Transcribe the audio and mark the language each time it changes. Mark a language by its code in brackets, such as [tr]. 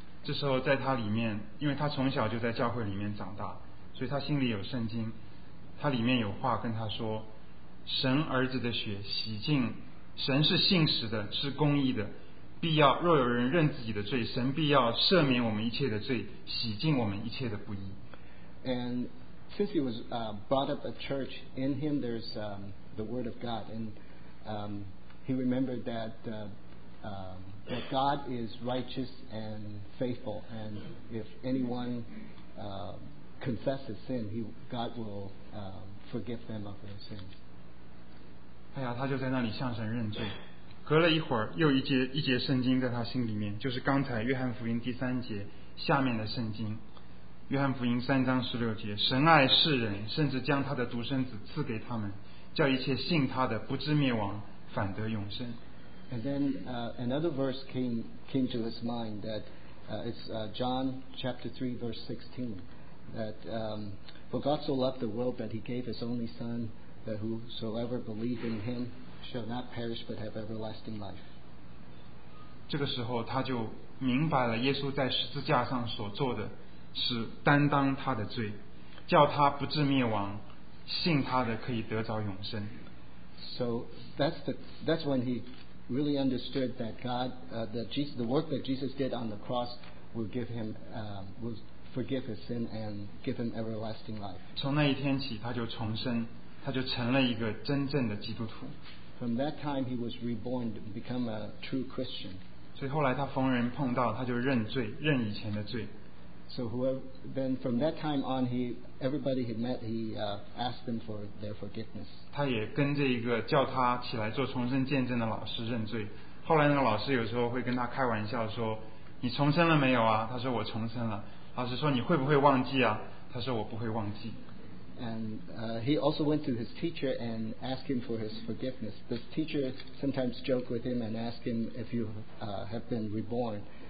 [zh] 这时候在他里面，因为他从小就在教会里面长大，所以他心里有圣经，他里面有话跟他说：神儿子的血洗净，神是信实的，是公义的，必要若有人认自己的罪，神必要赦免我们一切的罪，洗净我们一切的不义。 [en] And since he was brought up a church, in him there's the word of God, and he remembered that that God is righteous and faithful, and if anyone confesses sin, God will forgive them of their sins. [zh] 哎呀，他就在那里向神认罪。隔了一会儿，又一节圣经在他心里面，就是刚才约翰福音第三节下面的圣经，约翰福音三章十六节：神爱世人，甚至将他的独生子赐给他们。叫一切信他的不至灭亡，反得永生。 [en] And then another verse came to his mind that it's John chapter 3 verse 16 that for God so loved the world that he gave his only son that whosoever believe in him shall not perish but have everlasting life. [zh] 这个时候他就明白了耶稣在十字架上所做的是担当他的罪，叫他不至灭亡。信他的可以得着永生。 [en] So that's when he really understood that God, the work that Jesus did on the cross will give him, will forgive his sin and give him everlasting life. [zh] 从那一天起，他就重生，他就成了一个真正的基督徒。 [en] From that time, he was reborn to become a true Christian. [zh] 所以后来他逢人碰到，他就认罪，认以前的罪。 [en] So then from that time on, everybody he met, he asked them for their forgiveness. [zh] 他也跟这一个叫他起来做重生见证的老师认罪。后来那个老师有时候会跟他开玩笑说：“你重生了没有啊？” 他说：“我重生了。” 老师说：“你会不会忘记啊？” 他说：“我不会忘记。” [en] And he also went to his teacher and asked him for his forgiveness. The teacher sometimes joked with him and asked him if you have been reborn.